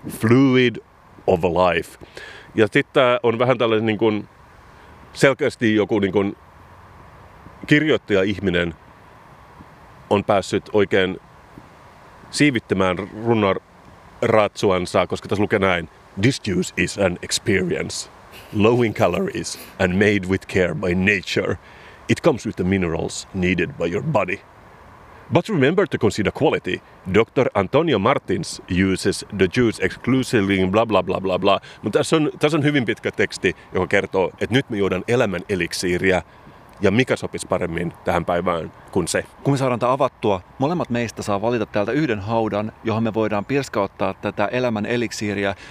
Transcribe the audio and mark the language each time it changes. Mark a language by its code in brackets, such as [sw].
[en] Fluid of life. [fi] Ja sitten on vähän tällainen niin kuin selkeästi joku niin kuin kirjoittaja ihminen on päässyt oikein siivittämään runnaratsuansa, koska tässä lukee näin. [en] This juice is an experience. Low in calories and made with care by nature. It comes with the minerals needed by your body. But remember to consider quality. Dr. Antonio Martins uses the juice exclusively in blah blah blah blah blah. [fi] Mutta tässä on hyvin pitkä teksti, joka kertoo, että nyt me juodaan elämän eliksiiriä. Ja mikä sopisi paremmin tähän päivään kuin se? Kun me saadaan tämä avattua, molemmat meistä saa valita täältä yhden haudan, johon me voidaan pirskauttaa tätä elämän eliksiiriä.